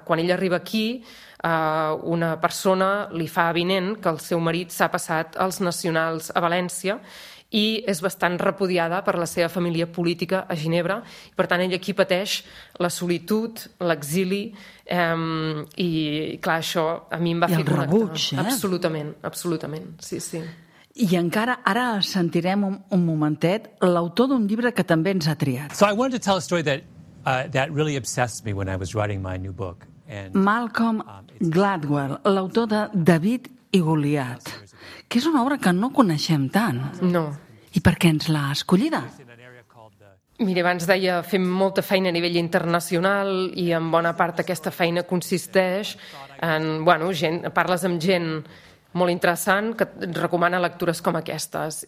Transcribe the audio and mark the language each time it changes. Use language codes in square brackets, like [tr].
[ca] Quan ella arriba aquí, una persona li fa avinent que el seu marit s'ha passat als nacionals a València i és bastant repudiada per la seva família política a Ginebra. Per tant, ell aquí pateix la solitud, l'exili, i clar, això a mi em va fer connectar. I el rebuig, eh? Absolutament, absolutament, sí, sí. I encara ara sentirem un momentet l'autor d'un llibre que també ens ha triat. [en] So I wanted to tell a story that really obsessed me when I was writing my new book. [ca] Malcolm Gladwell, l'autor de David i Goliat, que és una obra que no coneixem tant. No. I per què ens l'ha escollida? Mira, abans deia, fem molta feina a nivell internacional i en bona part aquesta feina consisteix en, bueno, gent, parles amb gent molt interessant que et recomana lectures com aquestes.